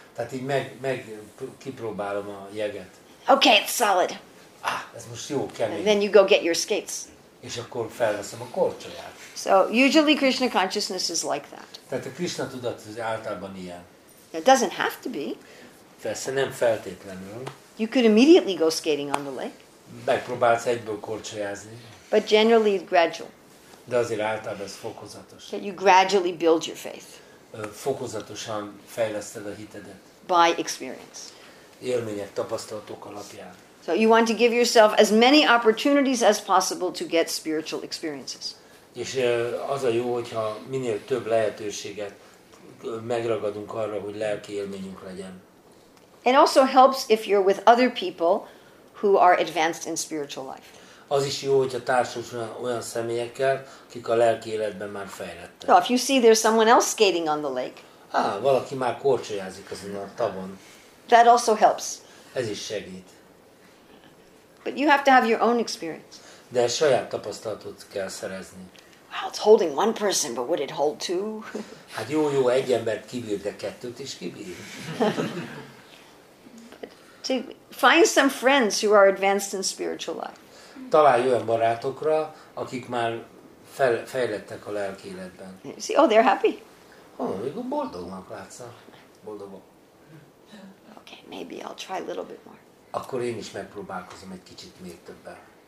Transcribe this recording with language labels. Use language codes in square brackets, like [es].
[hu] Tehát így meg kipróbálom a jeget. [en] Okay, it's solid. [hu] Ah, ez most jó, kemény. [en] And then you go get your skates. [hu] És akkor felveszem a korcsolyát. [en] So usually Krishna consciousness is like that. [hu] Tehát a Krishna tudat általában ilyen. [en] It doesn't have to be. [hu] Persze nem feltétlenül. [en] You could immediately go skating on the lake. [hu] megpróbálsz egyből korcsolyázni. [en] But generally it's gradual. [hu] De azért általában ez fokozatos. [en] That you gradually build your faith. [hu] Fokozatosan fejleszted a hitedet. [en] By experience. [hu] Élmények, tapasztalatok alapján. [en] So you want to give yourself as many opportunities as possible to get spiritual experiences. [hu] És az a jó, hogyha minél több lehetőséget megragadunk arra, hogy lelki élményünk legyen. [en] It also helps if you're with other people who are advanced in spiritual life. [hu] Az is jó, hogyha társulsz olyan személyekkel, akik a lelki életben már fejlettek. [en] So if you see there's someone else skating on the lake. [hu] Valaki már korcsolyázik azon a tavon. [en] That also helps. [hu] Ez is segít. [en] But you have to have your own experience. [hu] De saját tapasztalatot kell szerezni. [en] Well, it's holding one person, but would it hold two? [hu] Hát jó, egy embert kibír, de kettőt is kibír. [en] To find some friends who are advanced in spiritual life. [hu] Találj olyan barátokra, akik már fejlettek a lelki életben. [en] See, oh, they're happy. [hu] Boldognak látszak. Boldogok. [en] Okay, maybe I'll try a little bit more. [hu] Akkor én is megpróbálkozom egy kicsit még többen.